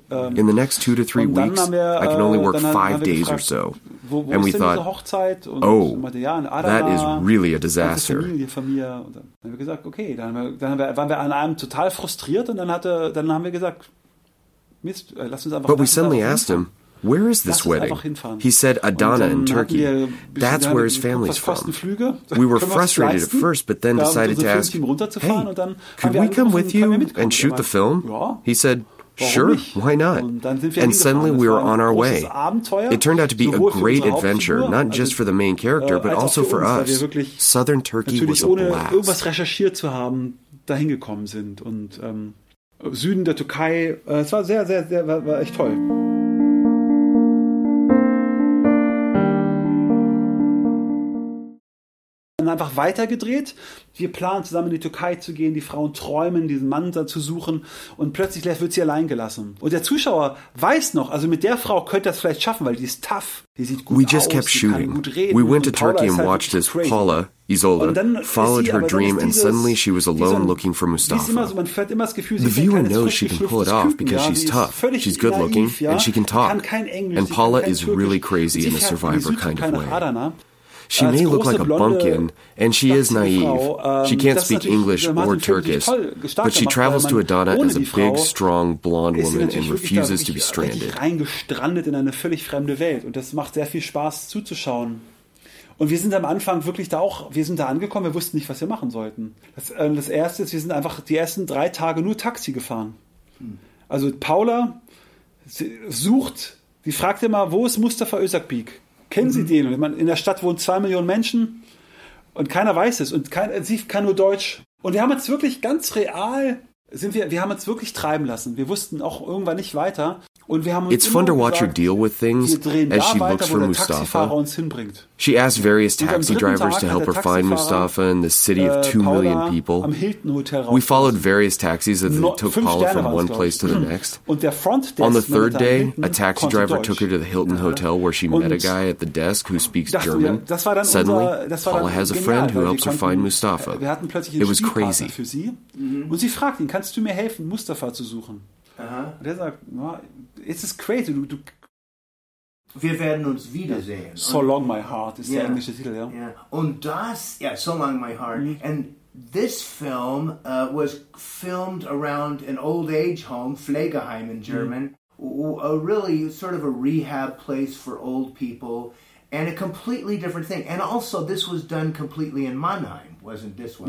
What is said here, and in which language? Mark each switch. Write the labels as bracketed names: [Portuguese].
[English] In the next 2 to 3 weeks, I can only work 5 days or so. And we thought, that is really a disaster. [German] Dann haben wir gesagt, okay, dann waren wir an einem total frustriert und dann haben wir gesagt, Mist, lass uns einfach. [English] But we suddenly asked him, where is this wedding? He said, Adana in Turkey. That's where his family's from. We were frustrated at first, but then decided to ask, hey, could we come with you and shoot the film? He said, sure, why not? And suddenly we were on our way. It turned out to be a great adventure, not just for the main character, but also for us. Southern Turkey was a blast. [German] Ohne irgendwas recherchiert zu haben, dahin gekommen sind. Und Süden der Türkei, es war sehr, sehr, sehr, war echt toll. Einfach weitergedreht. Wir planen zusammen in die Türkei zu gehen, die Frauen träumen, diesen Mann da zu suchen und plötzlich wird sie allein gelassen. Und der Zuschauer weiß noch, also mit der Frau könnte das vielleicht schaffen, weil die ist tough, die sieht gut aus, die kann gut reden. [English] We went to Turkey and watched as Paula, Isolde, followed her dream and suddenly she was alone looking for Mustafa. The viewer knows she can pull it off because she's tough, she's good looking and she can talk. And Paula is really crazy in a survivor kind of way. She may look like a bumpkin, and she is naive. She can't speak English or Turkish, but she travels to Adana as a big, strong, blonde woman and refuses to be stranded. [German] Reingestrandet in eine völlig fremde Welt, und das macht sehr viel Spaß zuzuschauen. Und wir sind am Anfang wirklich da angekommen, wir wussten nicht, was wir machen sollten. Das Erste ist, wir sind einfach die ersten 3 Tage nur Taxi gefahren. Also Paula fragt immer, wo ist Mustafa Özakbik? Kennen Sie den? In der Stadt wohnen 2 Millionen Menschen und keiner weiß es. Und sie kann nur Deutsch. Und wir haben jetzt wirklich ganz real wir haben uns wirklich treiben lassen. Wir wussten auch irgendwann nicht weiter. Und wir haben [English] It's fun to watch her deal with things as she looks for Mustafa. She asks various taxi drivers to help her find Mustafa in the city of 2 million people. We followed various taxis that took Paula from one place to the next. On the third day, a taxi driver took her to the Hilton Hotel where she met a guy at the desk who speaks German. Suddenly, Paula has a friend who helps her find Mustafa. It was crazy. [German] Und sie fragt ihn, kannst du mir helfen, Mustafa zu suchen? Und er sagt, es ist crazy. Wir werden uns wiedersehen. So long my heart ist der englische Titel, ja. Und das, so long my heart. Mm. [English] And this film was filmed around an old age home, Pflegeheim in German. A really sort of a rehab place for old people. And a completely different thing. And also, this was done completely in Mannheim, wasn't this one?